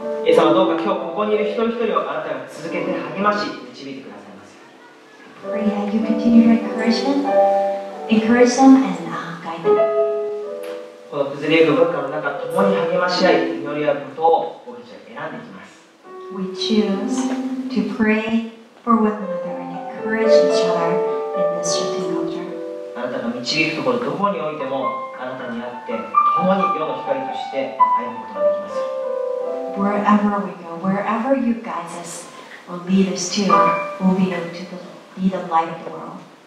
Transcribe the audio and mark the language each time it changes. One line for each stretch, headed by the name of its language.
Japanese: 예수님どうか今日ここにいる一人一人をあなたが続けて励まし導いてくださいます。
English: Pray that you continue to encourage them and guide them.
Japanese: この崩れゆく文化の中、共に励まし合い、祈り合うことを僕たちは選んでいきます。
English: We choose to pray for one another and encourage each other in this shifting culture.
Japanese: あなたが導くところ、どこにおいても、あなたにあって、共に世の光として歩むことができます。
English: Wherever we go, wherever you guide us or lead us to, we'll be able to be the light of the world.